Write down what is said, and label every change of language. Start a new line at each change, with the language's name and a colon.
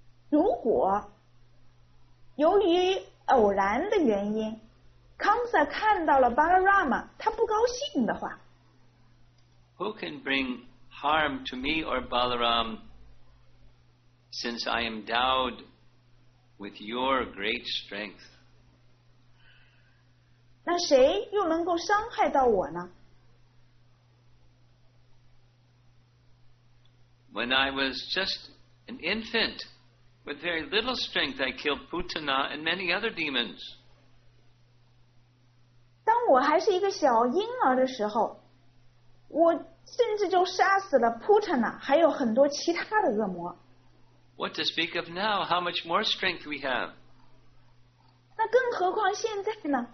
Chinese: 如果由于偶然的原因 Kamsa 看到了 Balarama 他不高兴的话，
English: Who can bring harm to me or Balaram since I am endowed with your great strength?
Chinese: 那谁又能够伤害到我呢？
English: When I was just an infant with very little strength, I killed Putana and many other demons.
Chinese: 当我还是一个小婴儿的时候，我甚至就杀死了 Putana 还有很多其他的恶魔。
English: What to speak of now? How much more strength we have?
Chinese: 那更何况现在呢？